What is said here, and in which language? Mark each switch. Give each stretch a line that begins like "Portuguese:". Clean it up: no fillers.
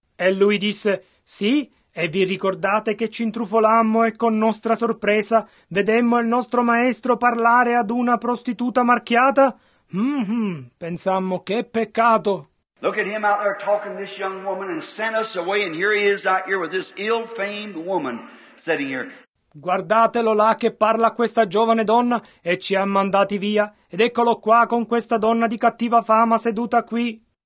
Italian: E lui disse, sì, e vi ricordate che ci intrufolammo e con nostra sorpresa vedemmo il nostro maestro parlare ad una prostituta marchiata? Pensammo, che peccato.
English: Look at him out there talking to this young woman and sent us away and here he is out here with this ill-famed woman sitting here.
Italian: Guardatelo là che parla a questa giovane donna e ci ha mandati via. Ed eccolo qua con questa donna di cattiva fama seduta qui.